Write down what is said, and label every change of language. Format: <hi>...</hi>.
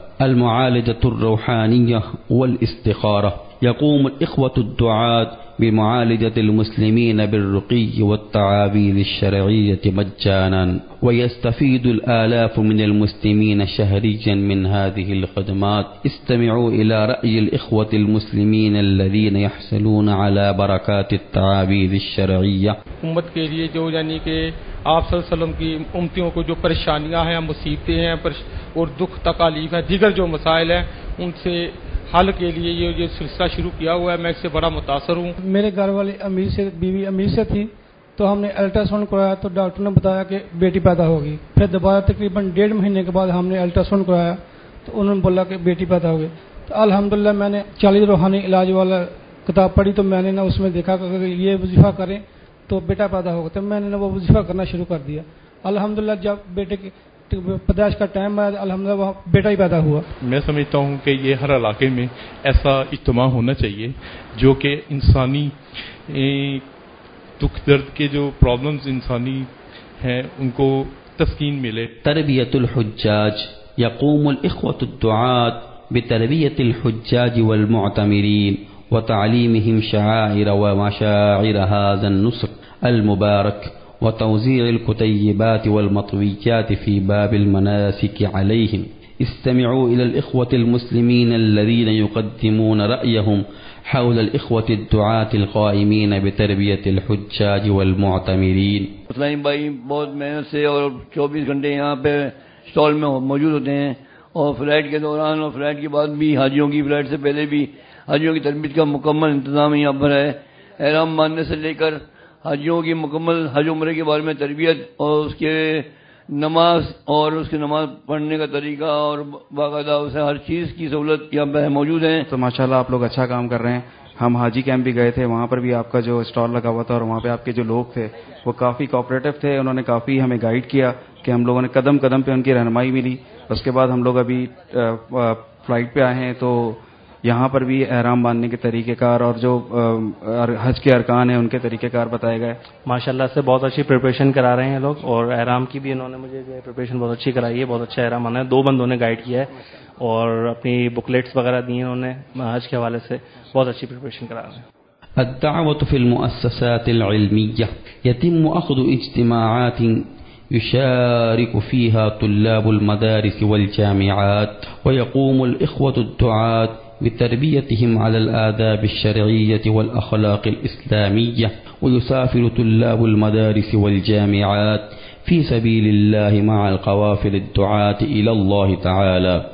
<ar>المعالجة الروحانية والاستخارة: يقوم الإخوة الدعاة بمعالجة المسلمين بالرقي والتعابير الشرعية مجانا، ويستفيد الآلاف من المسلمين شهريا من هذه الخدمات. استمعوا إلى رأي الإخوة المسلمين الذين يحصلون على بركات التعابير الشرعية.</ar> <ur>امت کے لیے جو یعنی کہ آپ صلی اللہ علیہ وسلم کی امتیوں کو جو پریشانیاں ہیں، مصیبتیں ہیں اور دکھ تکالیف ہیں، دیگر جو مسائل ہیں، ان سے حل کے لیے یہ جو سلسلہ شروع کیا ہوا ہے، میں اس سے بڑا متاثر ہوں. میرے گھر والے امیر سے، بیوی امیر سے تھی، تو ہم نے الٹرا ساؤنڈ کرایا تو ڈاکٹر نے بتایا کہ بیٹی پیدا ہوگی. پھر دوبارہ تقریباً ڈیڑھ مہینے کے بعد ہم نے الٹرا ساؤنڈ کرایا تو انہوں نے بولا کہ بیٹی پیدا ہوگی. تو الحمدللہ میں نے 40 روحانی علاج والا کتاب پڑھی، تو میں نے نا اس میں دیکھا کہ اگر یہ وظیفہ کریں تو بیٹا پیدا ہوگا، تو میں نے وہ وظیفہ کرنا شروع کر دیا. الحمدللہ جب بیٹے کے پیدائش کا ٹائم آیا، الحمدللہ وہاں بیٹا ہی پیدا ہوا. میں سمجھتا ہوں کہ یہ ہر علاقے میں ایسا اجتماع ہونا چاہیے جو کہ انسانی دکھ درد کے جو پرابلمز انسانی ہیں ان کو تسکین ملے.</ur> <ar>تربیت الحجاج: یقوم الاخوة الدعاة بتربیت الحجاج والمعتمرین وتعلیمهم شعائر ومشاعر هذا النصر المبارک وتوزيع الكتيبات والمطويات في باب المناسك عليهم. استمعوا إلى الإخوة المسلمين الذين يقدمون رأيهم حول الإخوة الدعاة القائمين بتربية الحجاج والمعتمرين.</ar> <ur>اسلام بھائی بہت محنت سے اور 24 گھنٹے یہاں پہ سٹال میں موجود ہوتے ہیں، اور فلائٹ کے دوران اور فلائٹ کے بعد بھی، حاجیوں کی فلائٹ سے پہلے بھی حاجیوں کی تربیت کا مکمل انتظام یہاں پر ہے. احرام ماننے سے لے کر حجیوں کی مکمل حج عمرے کے بارے میں تربیت، اور اس کے نماز اور اس کے نماز پڑھنے کا طریقہ اور باقاعدہ اسے ہر چیز کی سہولت یہاں پہ موجود ہیں. تو ماشاءاللہ آپ لوگ اچھا کام کر رہے ہیں. ہم حاجی کیمپ بھی گئے تھے، وہاں پر بھی آپ کا جو اسٹال لگا ہوا تھا اور وہاں پہ آپ کے جو لوگ تھے وہ کافی کوآپریٹو تھے، انہوں نے کافی ہمیں گائیڈ کیا کہ ہم لوگوں نے قدم قدم پہ ان کی رہنمائی ملی. اس کے بعد ہم لوگ ابھی فلائٹ پہ آئے ہیں، تو یہاں پر بھی احرام باندھنے کے طریقے کار اور جو حج کے ارکان ہیں ان کے طریقے کار بتائے گئے. ماشاءاللہ سے بہت اچھی پریپریشن کرا رہے ہیں لوگ، اور احرام کی بھی انہوں نے مجھے جو ہے پریپریشن بہت اچھی کرائی ہے. بہت اچھا احرام آنا ہے، دو بندوں نے گائیڈ کیا ہے اور اپنی بکلیٹس وغیرہ دی ہیں انہوں نے حج کے حوالے سے. بہت اچھی پریپریشن کرا رہے ہیں.</ur> <ar>الدعوة في المؤسسات العلمية: يتم أخذ اجتماعات يشارك فيها طلاب المدارس والجامعات، ويقوم الإخوة الدعاة بتربيتهم على الآداب الشرعية والأخلاق الإسلامية، ويسافر طلاب المدارس والجامعات في سبيل الله مع القوافل الدعاة إلى الله تعالى،</ar>